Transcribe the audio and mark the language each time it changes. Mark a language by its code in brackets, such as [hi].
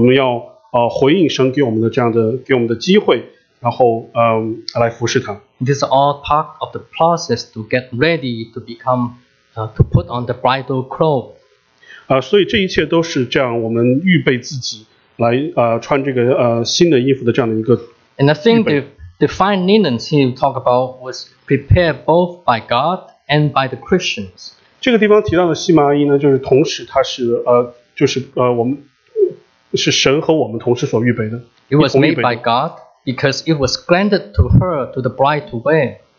[zh] 我们上一周呢，就是听的是塔连德的比喻，塔连德的这样的一个比喻呢，就是在讲我们要回应神给我们的机会。然后来服侍他。 [en] This is all part of the process to get ready to become, to put on the bridal clothes. [zh] 所以这一切都是这样，我们预备自己来穿这个新的衣服的这样的一个。 [en] And I think the fine linen he talked about was prepared both by God and by the Christians. [zh] 这个地方提到的细麻衣呢，就是同时它是我们是神和我们同时所预备的。 [en] It was made by God. Because it was granted to her, to the bride to wear.